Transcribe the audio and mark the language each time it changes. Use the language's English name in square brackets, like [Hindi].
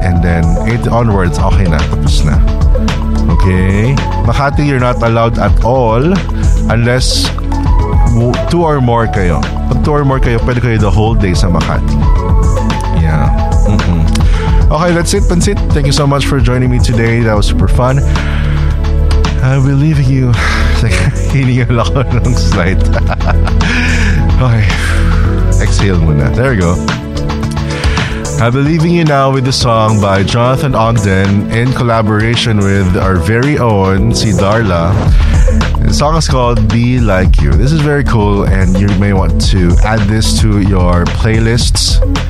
[English] And then 8 onwards, [Filipino] okay na, tapos na. [English] Okay, Makati, you're not allowed at all unless 2 or more kayo. [Filipino] Pag [English] 2 or more [Filipino] kayo, pwede kayo [English] the whole day [Filipino] sa Makati. [English] Yeah. Mm-mm. Okay, that's it, Pansit. Thank you so much for joining me today. That was super fun. I will leave you. [Filipino] Hiningan lang ako ng slide. [English] Okay. Exhale muna. There you go. I'll be leaving you now with a song by Jonathan Ogden in collaboration with our very own, si Darla. The song is called Be Like You. This is very cool and you may want to add this to your playlists.